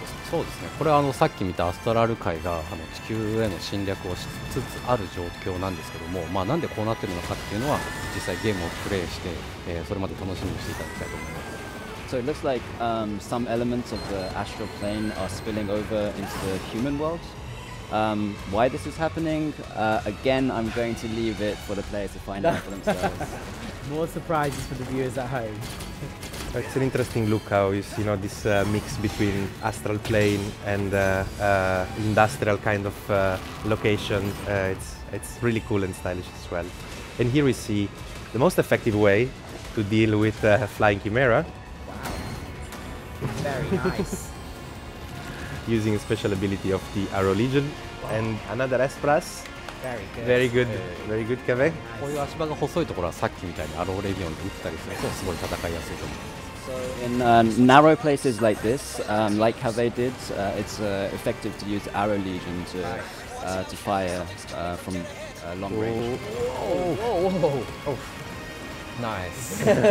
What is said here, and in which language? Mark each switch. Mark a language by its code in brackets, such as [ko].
[ja] そうですね、これはさっき見たアストラル界が地球への侵略をしつつある状況なんですけども、まあ、なんでこうなってるのかっていうのは実際ゲームをプレイして、それまで楽しみにしていただきたいと思います。 [en] So it looks like、some elements of the astral plane are spilling over into the human world、why this is happening、again I'm going to leave it for the players to find out for themselves. More surprises for the viewers at home. It's an interesting look how you see, you know, this mix between astral plane and industrial kind of location. It's really cool and stylish as well. And here we see the most effective way to deal with a flying chimera. Wow. Very nice. Using a special ability of the Arrow Legion. Wow. And another Espras. Very good. Very good, Kevin. [ja] こういう足場が細いところはさっきみたいにアローレギオンで打ったりするとすごい戦いやすいと思います。 [en] So in narrow places like this, like how they did, it's effective to use Arrow Legion to fire from long range. Whoa. Oh. Nice.